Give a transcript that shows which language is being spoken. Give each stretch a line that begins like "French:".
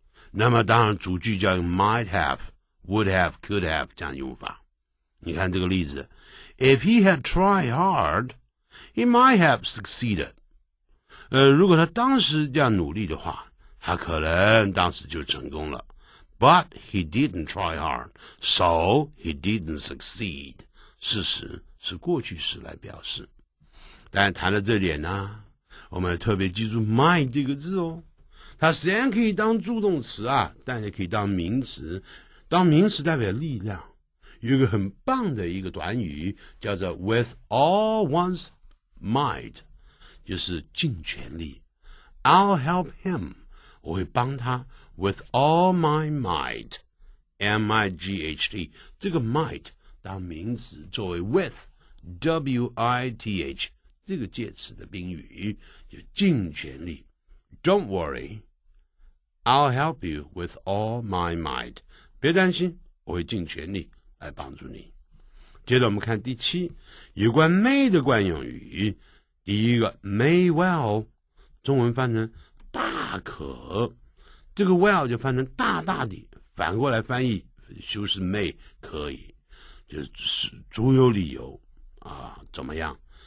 Chinese: 那么当然主句叫 might have, would have, could have 这样用法。你看这个例子
English: ,if he had tried hard, he might have succeeded.
Chinese: 如果他当时这样努力的话他可能当时就成功了。
English: But he didn't try hard, so he didn't succeed.
Chinese: 事实是过去时来表示。但谈到这点呢我们特别记住 might 这个字哦。它虽然可以当助动词啊但也可以当名词。当名词代表力量。有一个很棒的一个短语叫做
English: with all one's might,
Chinese: 就是尽全力。
English: I'll help him,
Chinese: 我会帮他。
English: With all my might,
Chinese: M-I-G-H-T, 这个 might 当名词作为 with, W-I-T-H, 这个介词的宾语就尽全力。
English: Don't worry, I'll help you with all my might.
Chinese: 别担心我会尽全力来帮助你。接着我们看第七有关 may 的惯用语。第一个 may well, 中文翻成大可。这个 well 就翻成大大的，反过来翻译修饰 may 可以，就是足有理由啊，怎么样？